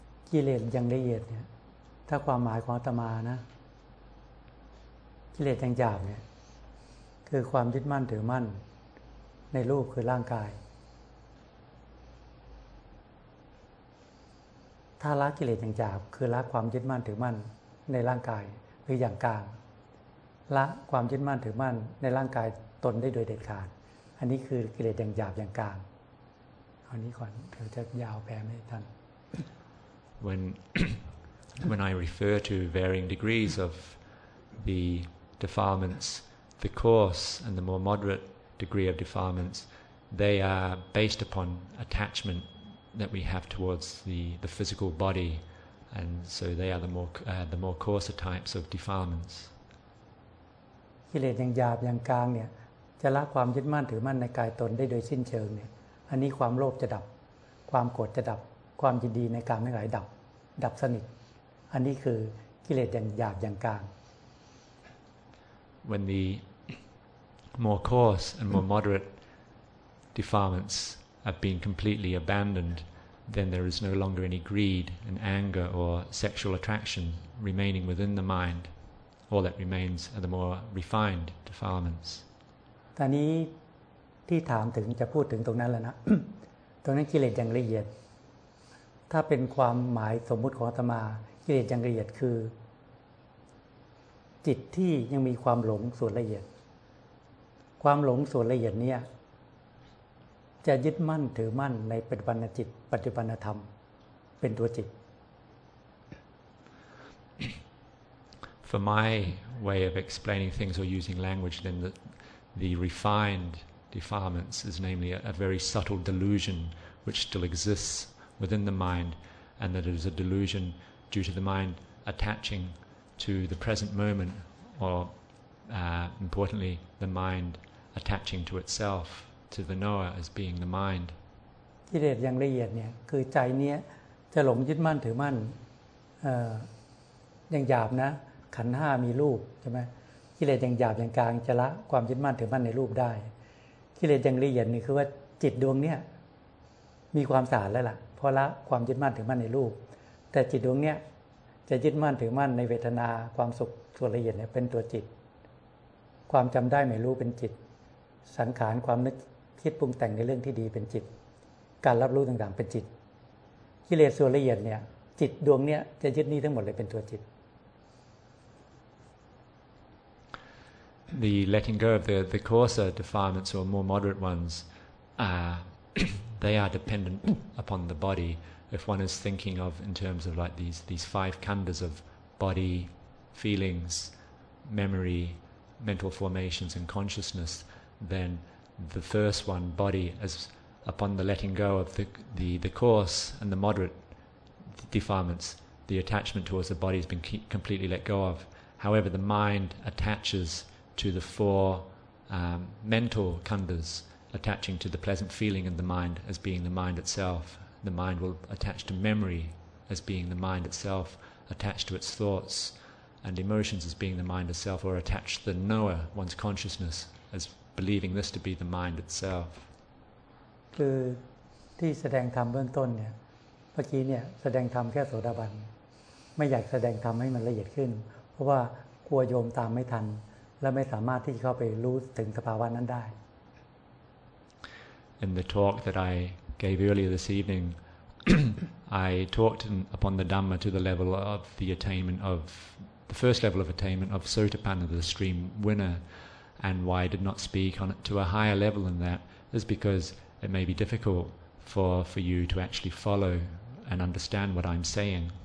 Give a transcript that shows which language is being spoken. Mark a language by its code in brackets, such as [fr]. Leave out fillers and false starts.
[th] กิเลสอย่างละเอียดเนี่ยถ้าความหมายของอาตมานะกิเลสอย่างหยาบเนี่ยคือความยึดมั่นถือมั่นในรูปคือร่างกายถ้าละกิเลสอย่างหยาบคือละความยึดมั่นถือมั่นในร่างกายหรืออย่างกลางละความยึดมั่นถือมั่นในร่างกายตนได้โดยเด็ดขาดอันนี้คือกิเลสอย่างหยาบอย่างกลางเอานี้ก่อนเดี๋ยวจะยาวแปลให้ท่าน [en] when I refer to varying degrees of the defilements the coarse and the more moderate degree of defilements they are based upon attachmentThat we have towards the physical body, and so they are the more coarser types of defilements. [th] กิเลสอย่างหยาบอย่างกลางเนี่ยจะละความยึดมั่นถือมั่นในกายตนได้โดยสิ้นเชิงเนี่ยอันนี้ความโลภจะดับความโกรธจะดับความยินดีในกามทั้งหลายดับสนิทอันนี้คือกิเลสอย่างหยาบอย่างกลาง [en] When the more coarse and more moderate defilements. Have been completely abandoned, then there is no longer any greed and anger or sexual attraction remaining within the mind. All that remains are the more refined defilements. [th] ตอนนี้เ ที่ถามถึงจะพูดถึงตรงนั้นแล้วนะ ตรงนั้นกิเลสอย่างละเอียดถ้าเป็นความหมายสมมุติของอาตมากิเลสอย่างละเอียดคือจิตที่ยังมีความหลงส่วนละเอียดความหลงส่วนละเอียดเนี่ยจะยึดมั่นถือมั่นในปัจจุบันจิตปัจจุบันธรรมเป็นตัวจิต [en] For my way of explaining things or using language then the refined defilements is namely a very subtle delusion which still exists within the mind and that it is a delusion due to the mind attaching to the present moment or importantly the mind attaching to itself to the knower as being the mind [th] กิเลสอย่างละเอียดเนี่ยคือใจเนี้ยจะหลงยึดมั่นถือมั่นอย่างหยาบนะขันธ์5มีรูปใช่มั้ยกิเลสอย่างหยาบอย่างกลางจะละความยึดมั่นถือมั่นในรูปได้กิเลสอย่างละเอียดนี่คือว่าจิตดวงเนี้ยมีความสะอาดแล้วล่ะพอละความยึดมั่นถือมั่นในรูปแต่จิตดวงเนี้ยจะยึดมั่นถือมั่นในเวทนาความสุขส่วนละเอียดเนี่ยเป็นตัวจิต ความจำได้ไม่รู้เป็นจิตสังขารความนึกคิดปรุงแต่งในเรื่องที่ดีเป็นจิตการรับรู้ต่างๆเป็นจิตกิเลสส่วนละเอียดเนี่ยจิตดวงเนี้ยจะยึดนี้ทั้งหมดเลยเป็นตัวจิต [en] The letting go of the coarser defilements or more moderate ones they are dependent upon the body if one is thinking of in terms of like these five khandhas of body feelings memory mental formations and consciousness then the first one body as upon the letting go of the coarse and the moderate defilements the attachment towards the body has been completely let go of however the mind attaches to the four mental khandhas attaching to the pleasant feeling in the mind as being the mind itself the mind will attach to memory as being the mind itself attached to its thoughts and emotions as being the mind itself or attach the knower one's consciousness as believing this to be the mind itself [th] คือที่แสดงธรรมเบื้องต้นเนี่ยเมื่อกี้เนี่ยแสดงธรรมแค่โสดาบันไม่อยากแสดงธรรมให้มันละเอียดขึ้นเพราะว่ากลัวโยมตามไม่ทันและไม่สามารถที่จะเข้าไปรู้ถึงสภาวะนั้นได้ [en] In the talk that I gave earlier this evening, I talked upon the Dhamma to the level of the attainment of the first level of attainment of Sotapanna, the stream winner, and why I did not speak on it to a higher level than that is because it may be difficult for you to actually follow and understand what I'm saying.